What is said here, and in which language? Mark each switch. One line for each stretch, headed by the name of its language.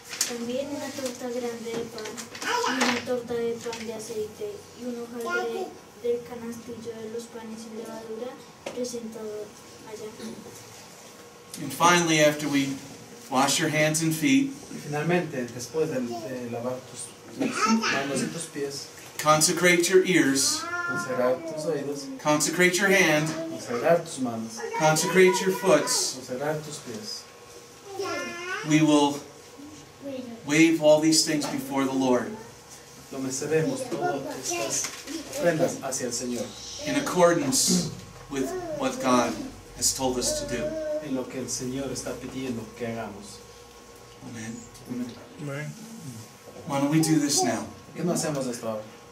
Spanish: También una torta grande de pan, y una torta de pan de aceite, y un hojaldre del canastillo de los panes sin levadura presentado allá.
English: And finally, after we wash your hands and feet,
Spanish: y finalmente, después de lavar tus manos y tus pies,
English: consecrate your ears,
Spanish: consagrar tus oídos,
English: consecrate your hand,
Spanish: consagrar tus manos,
English: consecrate your foot,
Spanish: consagrar tus pies.
English: We will wave all these things before the Lord.
Spanish: Todas estas prendas hacia el Señor.
English: In accordance with what God has told us to do.
Spanish: En lo que el Señor está pidiendo que hagamos. Amen. Amen.
English: Why don't we do this now?
Spanish: ¿Qué no hacemos esto ahora?